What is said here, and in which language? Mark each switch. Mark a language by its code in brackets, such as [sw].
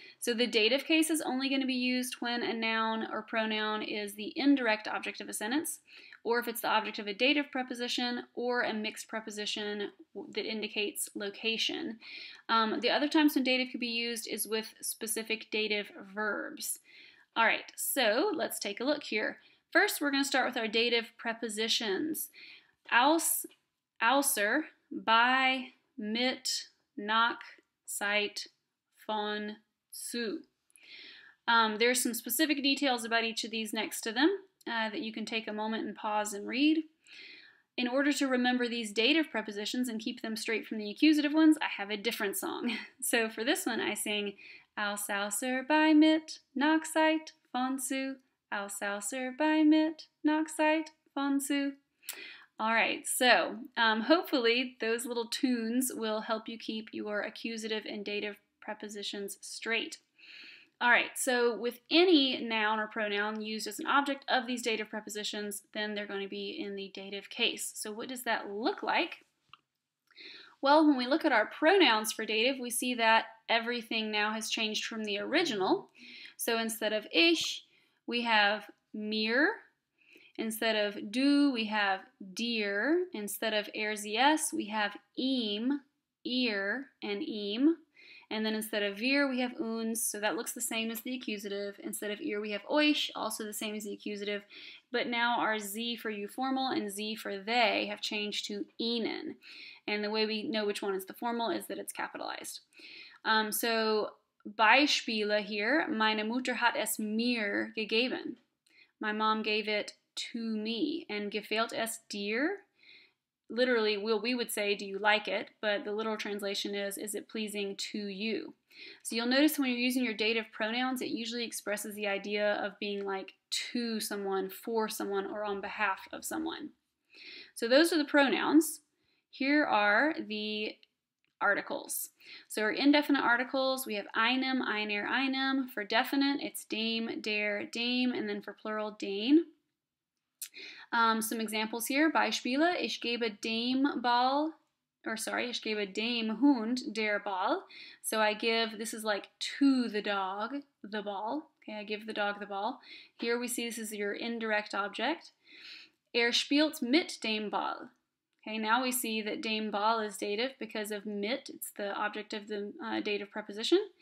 [en] So the dative case is only going to be used when a noun or pronoun is the indirect object of a sentence, or if it's the object of a dative preposition or a mixed preposition that indicates location. The other times when dative could be used is with specific dative verbs. All right, so let's take a look here. First, we're going to start with our dative prepositions. [de] Aus, außer, by, mit, nach, seit, von, zu. [en] There's some specific details about each of these next to them that you can take a moment and pause and read. In order to remember these dative prepositions and keep them straight from the accusative ones, I have a different song. So for this one, I sing, [de] aus, außer, bei, mit, nach, seit, von, zu. Aus, außer, bei, mit, nach, seit, von, zu. [en] All right, so hopefully those little tunes will help you keep your accusative and dative prepositions straight. All right, so with any noun or pronoun used as an object of these dative prepositions, then they're going to be in the dative case. So what does that look like? Well, when we look at our pronouns for dative, we see that everything now has changed from the original. So instead of ich, we have mir. Instead of du, we have dir. Instead of er, sie, es, we have ihm, ihr, and ihm. And then instead of wir, we have uns, so that looks the same as the accusative. Instead of ihr, we have euch, also the same as the accusative. But now our z for you formal and z for they have changed to ihnen. And the way we know which one is the formal is that it's capitalized. So [de] Beispiele [en] here, [de] meine Mutter hat es mir gegeben. [en] My mom gave it to me. And [de] gefällt es dir? [en] Literally, we would say, do you like it? But the literal translation is it pleasing to you? So you'll notice when you're using your dative pronouns, it usually expresses the idea of being like to someone, for someone, or on behalf of someone. So those are the pronouns. Here are the articles. So our indefinite articles, we have einem, einer, einem. For definite, it's dem, der, dem. And then for plural, den. Some examples here, [de] Beispiele, ich gebe dem Ball, [en] or sorry, [de] ich gebe dem Hund der Ball. [en] So I give, this is like to the dog, the ball. Okay, I give the dog the ball. Here we see this is your indirect object. [de] Spielt mit dem Ball. [en] Okay, now we see that dem Ball is dative because of mit, it's the object of the dative preposition.